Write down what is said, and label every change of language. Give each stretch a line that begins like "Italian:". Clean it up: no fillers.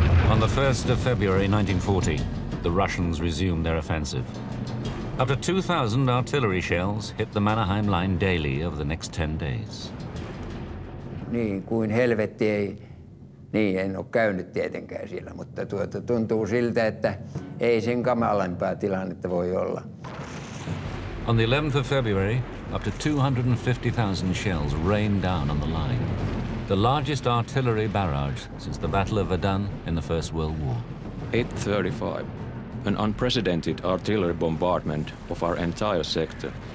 English: On the 1st of February 1940, the Russians resumed their offensive. Up to 2,000 artillery shells hit the Mannerheim line daily over the next 10 days.
Finnish: Niin kuin helvetti ei, niin en ole käynyt tietenkään siellä, mutta tuntuu siltä, että ei sen kamalampaa tilannetta voi olla.
English: On the 11th of February, up to 250,000 shells rained down on the line. The largest artillery barrage since the Battle of Verdun in the First World War. 8:35, an unprecedented artillery bombardment of our entire sector.